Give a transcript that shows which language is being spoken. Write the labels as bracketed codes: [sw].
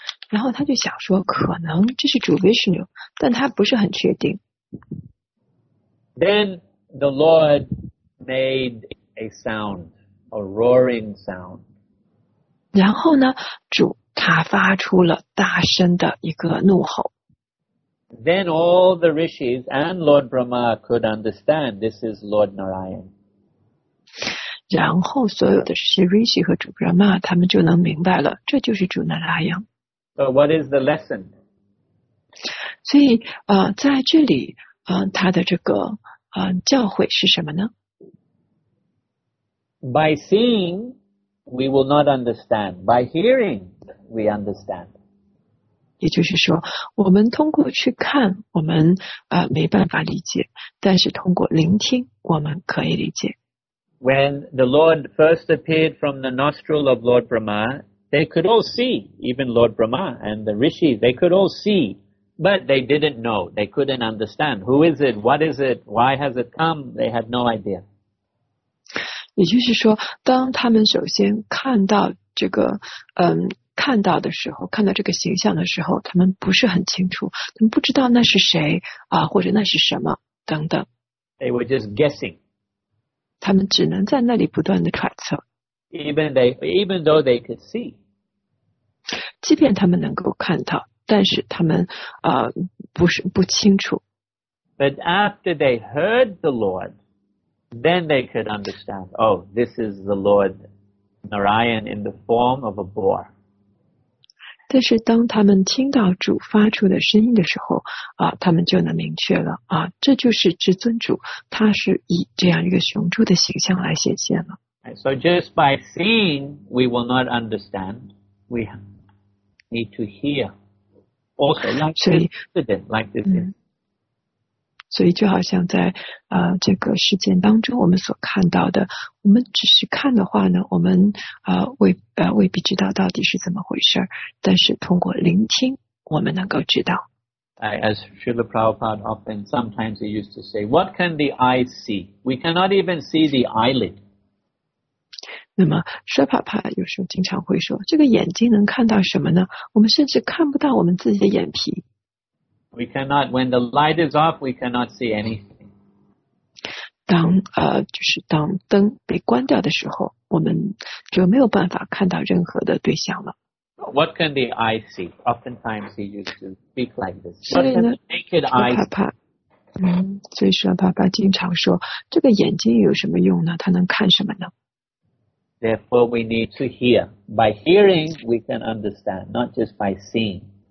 [zh] 然后他就想说，可能这是主 Vishnu, 但他不是很确定。 [en] Then the Lord made a sound, a roaring sound. [zh] 然后呢，主他发出了大声的一个怒吼。 [en] Then all the rishis and Lord Brahma could understand this is Lord Narayan. [zh] 然后所有的是 Rishi 和主 Brahma 他们就能明白了这就是主 Narayan [en] So what is the lesson? [zh] 所以在这里他的这个教诲是什么呢 [en] By seeing we will not understand By hearing we understand [zh] 也就是说我们通过去看我们没办法理解但是通过聆听我们可以理解 [en] When the Lord first appeared from the nostril of Lord Brahma, they could all see, even Lord Brahma and the Rishi, they could all see, but they didn't know, they couldn't understand. Who is it? What is it? Why has it come? They had no idea. [zh] 也就是说，当他们首先看到这个，看到的时候，看到这个形象的时候，他们不是很清楚，他们不知道那是谁啊，或者那是什么等等。 [en] They were just guessing. [zh] 他们只能在那里不断的揣测。 [en] Even though they could see. [zh] 即便他们能够看到但是他们不清楚。 [en] But after they heard the Lord, then they could understand, oh, this is the Lord Narayan in the form of a boar. [zh] 但是当他们听到主发出的声音的时候他们就能明确了这就是至尊主他是以这样一个雄猪的形象来显现了。 [en] So just by seeing, we will not understand. We need to hear. Also, like this incident. [zh] 所以就好像在这个事件当中我们所看到的，我们只是看的话呢，我们未必知道到底是怎么回事，但是通过聆听我们能够知道。 [en] As Srila Prabhupada often, sometimes he used to say, what can the eye see? We cannot even see the eyelid. [zh] 那么舍帕帕有时候经常会说，这个眼睛能看到什么呢？我们甚至看不到我们自己的眼皮。 [en] We cannot, when the light is off, we cannot see anything. [zh] 当就是当灯被关掉的时候，我们就没有办法看到任何的对象了。 [en] What can the eye see? Oftentimes he used to speak like this. What can the naked eye see? [zh] 所以舍帕帕经常说，这个眼睛有什么用呢？它能看什么呢？ [en] Therefore, we need to hear. By hearing, we can understand, not just by seeing.